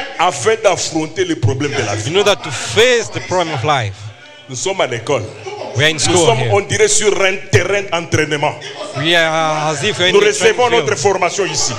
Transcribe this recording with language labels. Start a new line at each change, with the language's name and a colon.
French: Afin d'affronter les problèmes de la vie.
English: In order to face the problem of life.
French: Nous sommes à l'école.
English: We are in school.
French: Nous sommes
English: here.
French: On dirait sur un terrain d'entraînement.
English: We are as if
French: nous recevons notre formation ici.